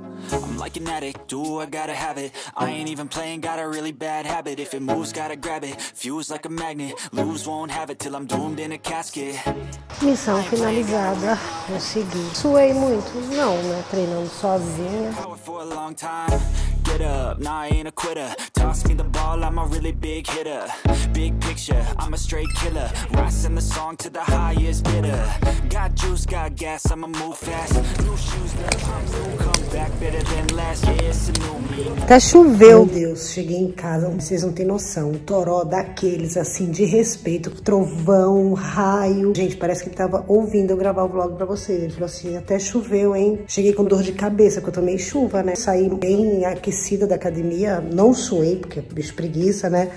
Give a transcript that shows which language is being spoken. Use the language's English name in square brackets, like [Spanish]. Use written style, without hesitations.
[English] I'm like an addict, do I gotta have it? I ain't even playing, got a really bad habit. If it moves, gotta grab it. Fuse like a magnet, lose, won't have it till I'm doomed in a casket. [Portuguese] Missão finalizada, consegui. Suei muito, não, né? Treinando sozinha. [English] For a long time. Get up, nah, I ain't a quitter. Toss me the ball, I'm a really big hitter. Big picture, I'm a straight killer. Rising the song to the highest bidder. Got juice, got gas, I'ma move fast. New shoes, new pumps, new comeback. Better than last year's new me. [Portuguese] Até choveu. Meu Deus, cheguei em casa, vocês não têm noção. Um toró daqueles, assim, de respeito. Trovão, raio. Gente, parece que ele tava ouvindo eu gravar o vlog pra vocês. Ele falou assim, até choveu, hein? Cheguei com dor de cabeça, porque eu tomei chuva, né? Saí bem aquecida da academia. Não suei, porque é bicho preguiça, né?